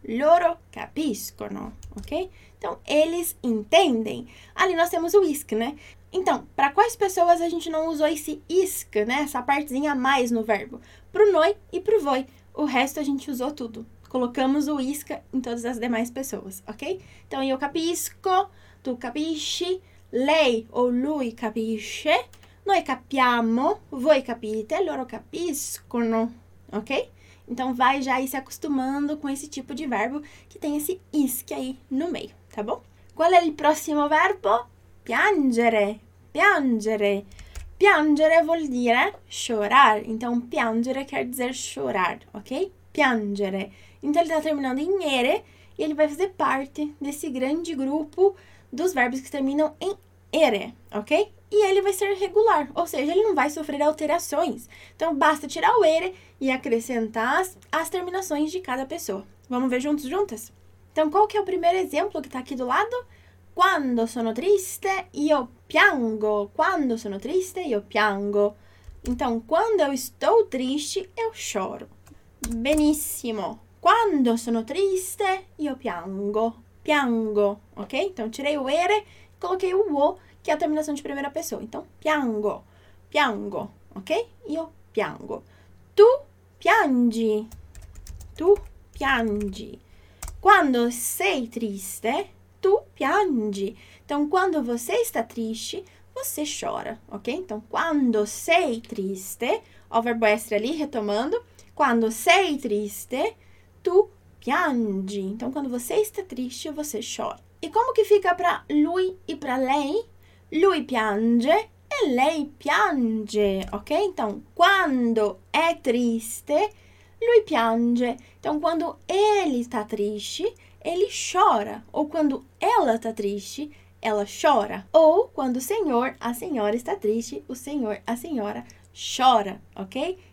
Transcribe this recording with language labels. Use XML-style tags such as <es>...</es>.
<it>Loro capiscono, ok?</it> <pt>Então, eles entendem. Ali nós temos o whisk, né? Então, para quais pessoas a gente não usou esse isk, né? Essa partezinha a mais no verbo? Pro noi e pro voi. O resto a gente usou tudo. Colocamos o isca em todas as demais pessoas, ok?</pt> <it>Então, eu capisco, tu capisci, lei ou lui capisce, noi capiamo, voi capite, loro capiscono, ok? Então, vai já aí se acostumando com esse tipo de verbo que tem esse isca aí no meio, tá bom?</it> <pt>Qual é o próximo verbo?</pt> <it>Piangere, piangere. Piangere vuol dire</it> <pt>chorar. Então, piangere quer dizer chorar, ok? Piangere. Então, ele está terminando em ere e ele vai fazer parte desse grande grupo dos verbos que terminam em ere, ok? E ele vai ser regular, ou seja, ele não vai sofrer alterações. Então, basta tirar o ere e acrescentar as terminações de cada pessoa. Vamos ver juntos, juntas? Então, qual que é o primeiro exemplo que está aqui do lado?</pt> <it>Quando sono triste, io piango. Quando sono triste, io piango.</it> <pt>Então, quando eu estou triste, eu choro.</pt> <it>Benissimo. Quando sono triste, io piango. Piango, ok?</it> <pt>Então, tirei o ere e coloquei o o, que é a terminação de primeira pessoa.</pt> <it>Então, piango. Piango, ok? Io piango. Tu piangi. Tu piangi. Quando sei triste, tu piangi.</it> <pt>Então, quando você está triste, você chora, ok? Então,</pt> <it>quando sei triste,</it> <pt>o verbo essere ali, retomando.</pt> <it>Quando sei triste, tu piangi.</it> <pt>Então, quando você está triste, você chora. E como que fica para lui e para lei?</pt> <it>Lui piange e lei piange, ok? Então, quando è triste, lui piange.</it> <pt>Então, quando ele está triste, ele chora. Ou quando ela está triste, ela chora. Ou quando o senhor, a senhora está triste, o senhor, a senhora chora, ok?</pt>